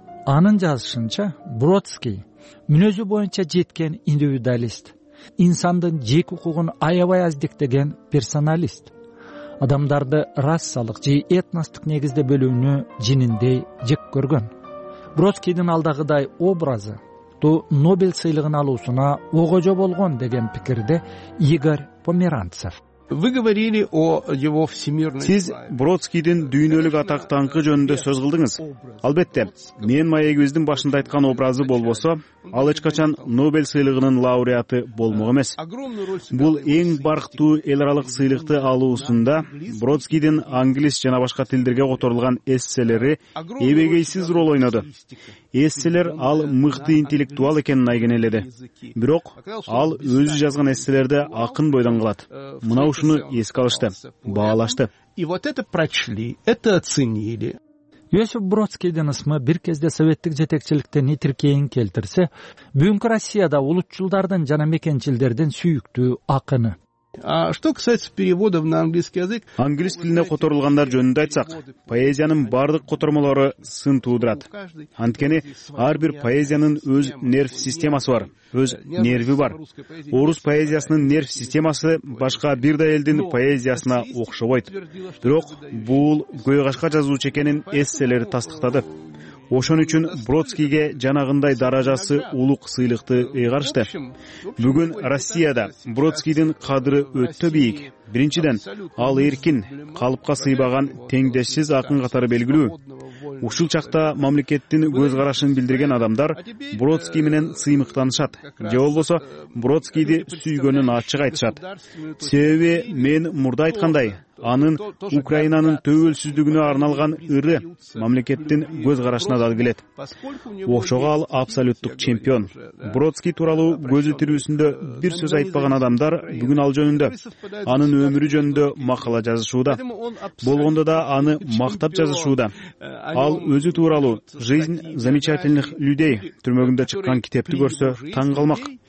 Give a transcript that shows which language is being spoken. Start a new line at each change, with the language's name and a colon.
Kyrgyz: Анын жазышынча Бродский мүнөзү боюнча жеткен индивидуалист, инсандын жек укугун аябай аздектеген персоналист, адамдарды расалык же этностук негизде бөлүүнү жининдей жек көргөн. Бродскийдин алдагыдай образы Нобель сыйлыгын алуусуна огожо болгон деген пикирде Игорь Померанцев.
Russian: Вы говорили о его всемирной.
Kyrgyz: Сиз Бродскийдин дүйнөлүк атак даңкы жөнүндө сөз кылдыңыз. Албетте, мен маегибиздин башында айткан образы болбосо, ал эч качан Нобель сыйлыгынын лауреаты болмок эмес. Бул эң барктуу эл аралык сыйлыкты алуусунда Бродскийдин англис жана башка тилдерге которулган эсселери эбегейсиз рол ойноду. Эсселер ал мыкты интеллектуал экенин айгинеледи. Бирок ал өзү жазган эсселерди акын бойдон кылат. Мына ушуну эске алышты, баалашты.
Russian: И вот это прочли, это оценили.
Kyrgyz: Иосиф Бродскийдин ысмы бир кезде советтик жетекчиликте нитиркейин келтирсе, бүгүнкү Россияда улутчулдардын жана мекенчилдердин сүйүктүү акыны.
Russian: А что касается переводов на английский язык?
Kyrgyz: Англис тилине которулгандар жөнүндө айтсак, поэзиянын бардык котормолору сын туудурат. Анткени ар бир поэзиянын өз нерв системасы бар, өз нерви бар. Орус поэзиясынын нерв системасы башка бир да элдин поэзиясына окшобойт. Бирок бул көй кашка жазуучу экенин эсселери тастыктады. Ошон үчүн Бродскийге жанагындай даражасы улук сыйлыкты ыйгарышты. Бүгүн Россияда Бродскийдин кадыры өтө бийик. Биринчиден, ал эркин, калыпка сыйбаган теңдешсиз акын катары белгилүү. Ушул чакта мамлекеттин көз карашын билдирген адамдар Бродский менен сыймыктанышат. Же болбосо Бродскийди сүйгөнүн ачык айтышат. Себеби мен мурда айткандай, анын Украинанын төбөлсүздүгүнө арналган ыры мамлекеттин көз карашына дал келет. Ошого ал абсолюттук чемпион. Бродский тууралуу көзү тирүүсүндө бир сөз айтпаган адамдар бүгүн ал жөнүндө, анын өмүрү жөнүндө макала жазышууда. Болгондо да аны мактап жазышууда. Ал өзү тууралуу «Жизнь замечательных людей» түрмөгүндө чыккан китепти көрсө таң калмак.